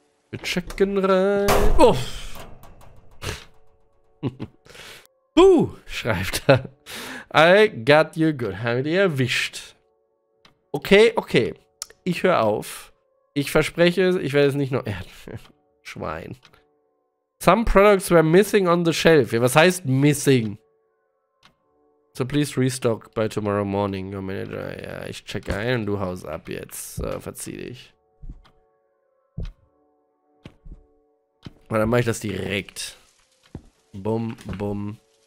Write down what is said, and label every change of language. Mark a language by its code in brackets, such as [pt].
[de] Wir checken rein. Oh! [en] Buh! [de] Schreibt er. [en] I got you good. [de] Haben wir dich erwischt. Okay, okay. Ich höre auf. Ich verspreche es, ich werde es nicht nur... Schwein. [en] Some products were missing on the shelf. [de] Was heißt missing? [en] So please restock by tomorrow morning, your manager. [de] Ja, ich check ein und du haust ab jetzt. So, verzieh dich. Und dann mache ich das direkt. Bum, bum.